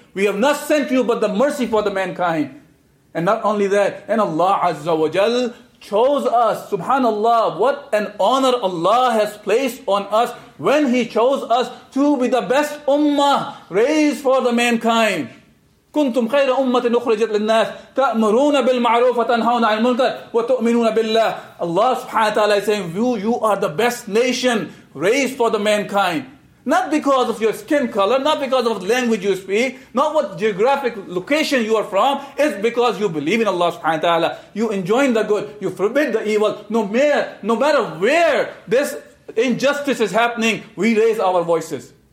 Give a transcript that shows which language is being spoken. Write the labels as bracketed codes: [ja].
[en] We have not sent you but the mercy for the mankind. And not only that, and Allah Azza wa Jal chose us. Subhanallah, what an honor Allah has placed on us when He chose us to be the best ummah raised for the mankind. [ar] كنتم خير أمة أخرجت للناس تأمرون بالمعروف وتنهون عن المنكر وتؤمنون بالله. [en] Allah subhanahu wa ta'ala is saying, you are the best nation raised for the mankind. Not because of your skin color, not because of the language you speak, not what geographic location you are from, it's because you believe in Allah subhanahu wa ta'ala. You enjoin the good, you forbid the evil. No matter where this injustice is happening, we raise our voices.